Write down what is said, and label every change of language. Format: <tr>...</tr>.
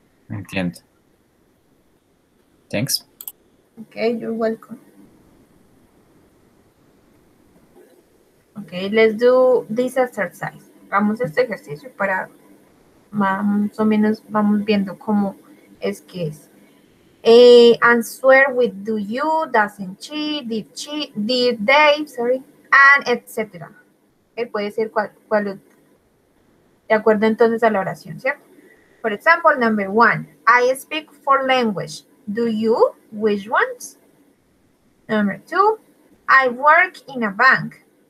<es>Entiendo. Thanks.</es> <en>Okay, you're welcome. Okay, let's do this exercise.</en> <es>Vamos a este ejercicio para más o menos vamos viendo cómo es que es.</es> <en>Answer with do you, doesn't she, did they, sorry, and etc.</en> <es>Okay, puede ser cual de acuerdo entonces a la oración, ¿cierto?</es> <en>For example, number one, I speak four language. Do you? Which ones? Number two, I work in a bank.</en>